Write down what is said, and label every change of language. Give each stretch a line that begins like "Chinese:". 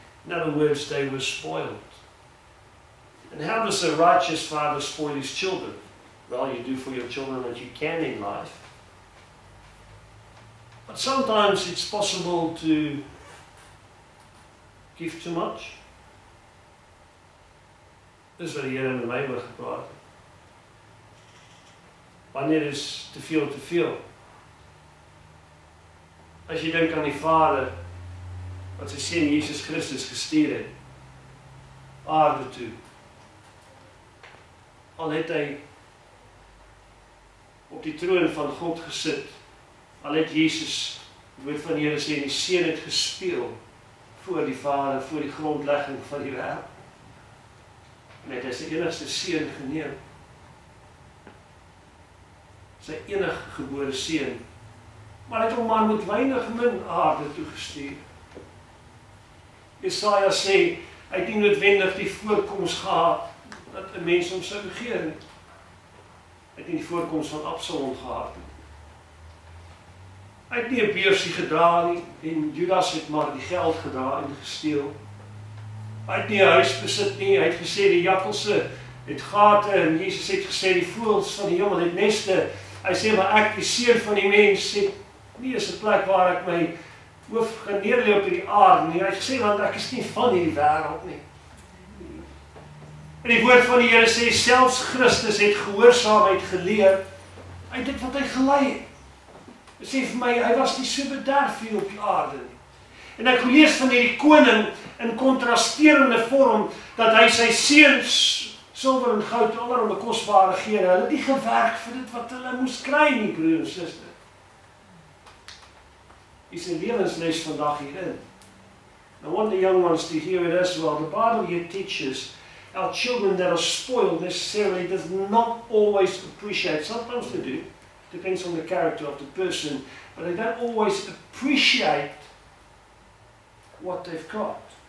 English: In other words, they were spoiled. And how does a righteous father spoil his children? Well, you do for your children what you can in life. But sometimes it's possible to give too much.
Afrikaans: Dit is wat die Here in my oor gepraat het. Wanneer is te veel te veel? As jy dink aan die Vader wat sy seun Jesus Christus gestuur het aarde toe, al het hy op die troon van God gesit, al het Jesus, die woord van die Here sê, die seun het gespeel voor die Vader, voor die grondlegging van die wêreld. En het hy sy enigste seun geneem. Sy enig gebore seun. Maar het hom maar met weinig min aarde toegestuur. Jesaja sê, hy het nie noodwendig die voorkoms gehad dat 'n mens hom sou begeer nie. Hy het nie die voorkoms van Absalom gehad nie. Hy het nie 'n beursie gedra nie en Judas het maar die geld gedra en gesteel. Hy het nie huis besit nie, hy het gesê die jakkelse het gate en Jesus het gesê die voëls van die hemel het neste. Hy sê maar ek die seer van die mens sê nie is 'n plek waar ek my hoof gaan neerlee op hierdie aarde nie. Hy sê want ek is nie van hierdie wêreld nie. En die woord van die Here sê selfs Christus het gehoorsaamheid geleer uit dit wat hy gelei het. Hy sê vir my hy was nie so bederf hier op die aarde nie. En ek lees van hierdie koning in kontrasterende vorm, dat hy sy seuns, silwer en goud, allerhande kosbare gee, hulle het nie gewerk vir dit wat hulle moes kry nie, broer en suster. Is 'n lewensles vandag hierin.
English: I want the young ones to hear it as well. The Bible here teaches our children that are spoiled necessarily does not always appreciate, sometimes they do, depends on the character of the person, but they don't always appreciate what they've got.